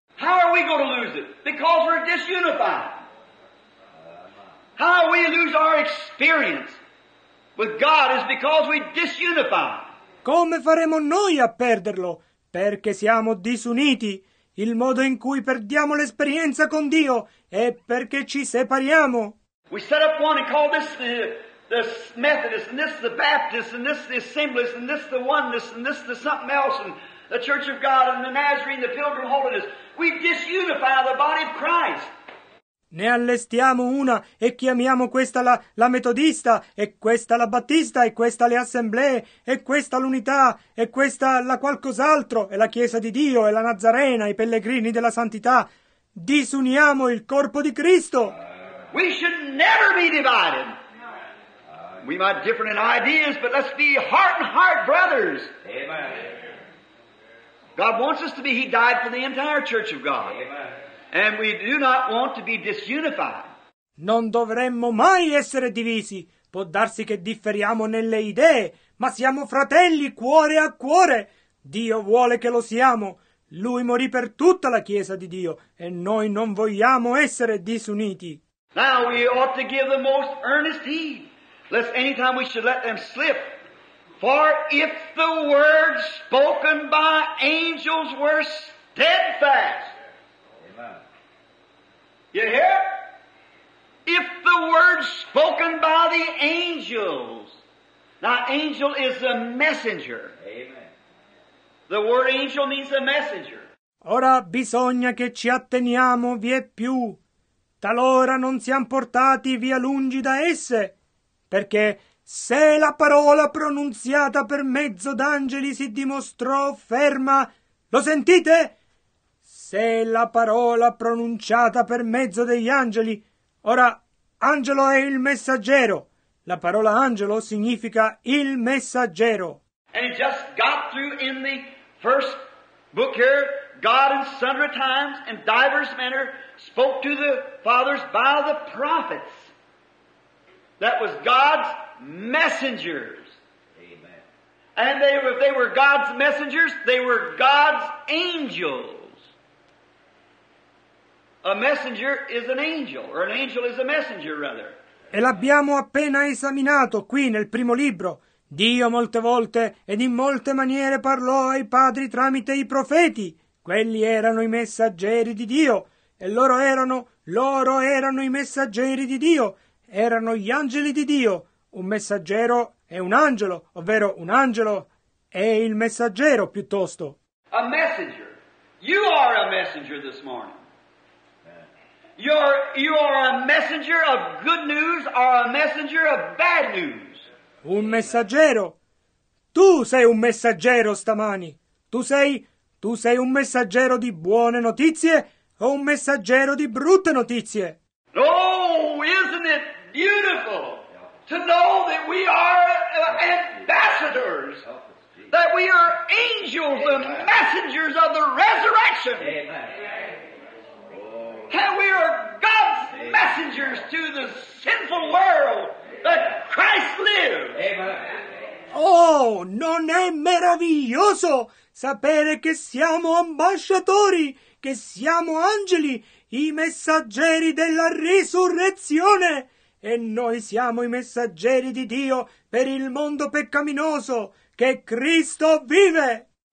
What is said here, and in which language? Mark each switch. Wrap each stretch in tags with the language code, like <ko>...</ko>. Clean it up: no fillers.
<en>How are we going to lose it? Because we're disunified. How we lose our experience with God is because we disunify.</en> <it>Come faremo noi a perderlo? Perché siamo disuniti. Il modo in cui perdiamo l'esperienza con Dio è perché ci separiamo.</it> <en>We set up one and call this the Methodist, and this the Baptist, and this the Assemblies, and this the Oneness, and this the something else, and the Church of God, and the Nazarene, the Pilgrim Holiness. We disunify the body of Christ.</en> <it>Ne allestiamo una e chiamiamo questa la metodista, e questa la battista, e questa le assemblee, e questa l'unità, e questa la qualcos'altro, e la chiesa di Dio, e la Nazarena, i pellegrini della santità. Disuniamo il corpo di Cristo.</it> <en>We should never be divided. We might differ in ideas, but let's be heart and heart brothers. Amen. God wants us to be. He died for the entire church of God. Amen. And we do not want to be disunified.</en> <it>Non dovremmo mai essere divisi. Può darsi che differiamo nelle idee, ma siamo fratelli cuore a cuore. Dio vuole che lo siamo. Lui morì per tutta la Chiesa di Dio, e noi non vogliamo essere disuniti.</it> <en>Now we ought to give the most earnest heed, lest any time we should let them slip. For if the words spoken by angels were steadfast. You hear? If the words spoken by the angels. Now, angel is a messenger. Amen. The word angel means a messenger.</en> <it>Ora bisogna che ci atteniamo vie più. Talora non siamo portati via lungi da esse. Perché se la parola pronunziata per mezzo d'angeli si dimostrò ferma, lo sentite? Se la parola pronunciata per mezzo degli angeli. Ora, angelo è il messaggero. La parola angelo significa il messaggero.</it> <en>And it just got through in the first book here, God in sundry times and divers manner spoke to the fathers by the prophets. That was God's messengers. Amen. And if they were God's messengers, they were God's angels. A messenger is an angel, or an angel is a messenger, rather.</en> <it>E l'abbiamo appena esaminato qui nel primo libro. Dio molte volte ed in molte maniere parlò ai padri tramite i profeti. Quelli erano i messaggeri di Dio, e loro erano i messaggeri di Dio. Erano gli angeli di Dio. Un messaggero è un angelo, ovvero un angelo è il messaggero piuttosto.</it> <en>A messenger. You are a messenger this morning. You are a messenger of good news or a messenger of bad news.</en> <it>Un messaggero. Tu sei un messaggero stamani. Tu sei un messaggero di buone notizie o un messaggero di brutte notizie?</it> <en>Oh, isn't it beautiful to know that we are ambassadors, that we are angels, the messengers of the resurrection. Amen. And we are God's messengers to the sinful world that Christ lives.</en> <it>Oh, non è meraviglioso sapere che siamo ambasciatori, che siamo angeli, i messaggeri della risurrezione. E noi siamo i messaggeri di Dio per il mondo peccaminoso, che Cristo vive.</it>